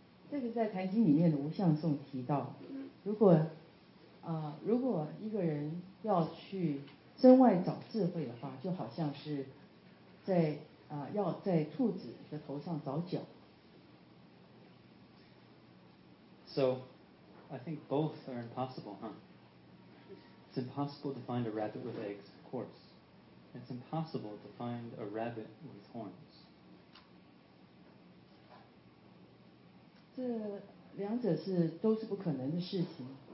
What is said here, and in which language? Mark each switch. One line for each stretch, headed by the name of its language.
Chinese: 这个在《坛经》里面的无相颂提到，如果一个人要去身外找智慧的话，就好像是在要在兔子的头上找角。
English: So. I think both are impossible, huh? It's impossible to find a rabbit with eggs, of course. It's impossible to find a rabbit with horns.
Chinese: 这两者是都是不可能的事情。